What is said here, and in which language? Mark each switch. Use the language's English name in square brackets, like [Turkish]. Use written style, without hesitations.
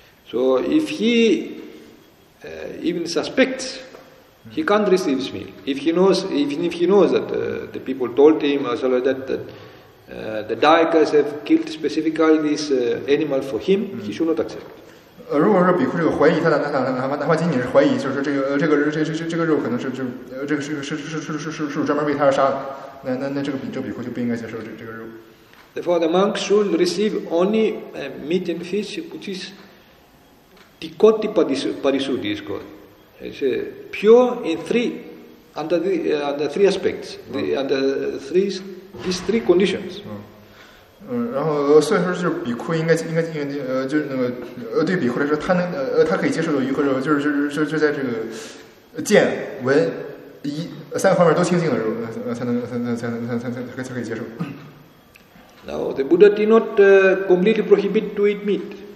[English] So if he even suspects, he can't receive this meal. If he knows, even if he knows that the people told him or something like that, that the daikas have killed specifically this animal for him, he should not accept. [Chinese] 如果说比库这个怀疑他的，哪怕仅仅是怀疑，就是说这个肉可能是这个是专门为他而杀的，那这个比库就不应该接受这个肉。 [English] Therefore, the monk should receive only meat and fish, which is tikoti parisuddhi, is called. It's pure in under three aspects, these three conditions. [Chinese] 然后所以说就是比库应该就是那个对比库来说，他可以接受的鱼和肉，就是在这个见闻一三个方面都清净的肉，才可以接受。 [English] Now, the Buddha did not completely prohibit to eat meat.